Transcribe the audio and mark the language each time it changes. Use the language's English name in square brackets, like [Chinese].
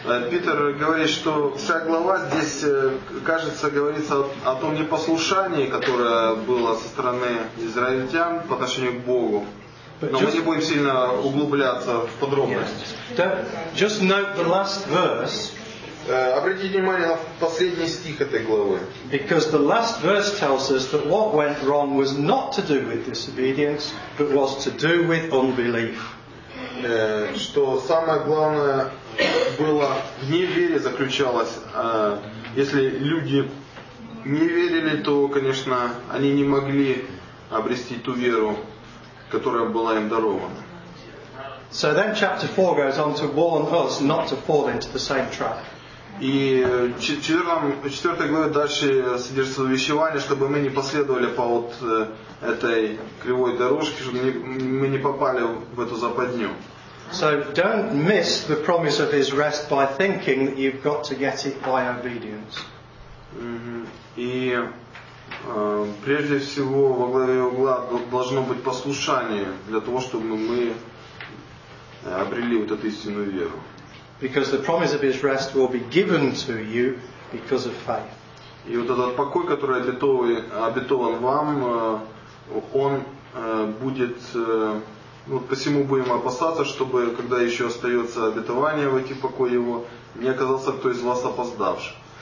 [Russian] Питер говорит, что вся глава здесь, кажется, говорится о том непослушании, которое было со стороны израильтян по отношению к Богу. Но мы не будем сильно углубляться в подробности. [English] Just note the last verse. [Russian] Обратите внимание на последний стих этой главы. [English] Because the last verse tells us that what went wrong was not to do with disobedience, but was to do with unbelief. [Russian] Что самое главное было в невере заключалось. Если люди не верили, то, конечно, они не могли обрести ту веру, которая была им дарована. [English] So then chapter 4 goes on to warn us not to fall into the same trap. [Russian] И в 4 главе дальше содержится увещевание, чтобы мы не последовали по вот этой кривой дорожке, чтобы мы не попали в эту западню. [English] So don't miss the promise of his rest by thinking that you've got to get it by obedience. [Russian] И прежде всего во главе угла должно быть послушание для того, чтобы мы обрели вот эту истинную веру. [English] Because the promise of his rest will be given to you because of faith. [Russian] И вот этот покой, который обетован вам, он будет, вот посему будем опасаться, чтобы, когда еще остается обетование в эти покой его, не оказался кто из вас опоздавший.